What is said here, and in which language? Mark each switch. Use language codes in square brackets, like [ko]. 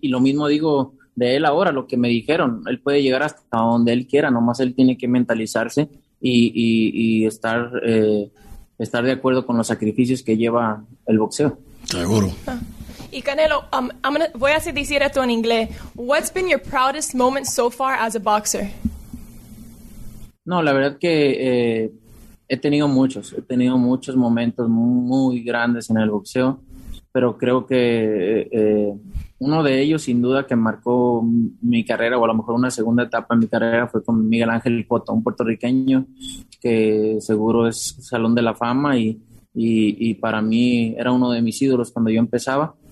[es] Y lo mismo digo de él ahora, lo que me dijeron. Él puede llegar hasta donde él quiera, nomás él tiene que mentalizarse y estar, estar de acuerdo con los sacrificios que lleva el boxeo. Seguro. Y Canelo, voy a decir esto en inglés. [en] What's been your proudest moment so far as a boxer? [es] No, la verdad que he tenido muchos momentos muy grandes en el boxeo, pero creo que uno de ellos, sin duda, que marcó mi carrera, o a lo mejor una segunda etapa en mi carrera, fue con Miguel Ángel Cotto, un puertorriqueño que seguro es Salón de la Fama y para mí era uno de mis ídolos cuando yo empezaba.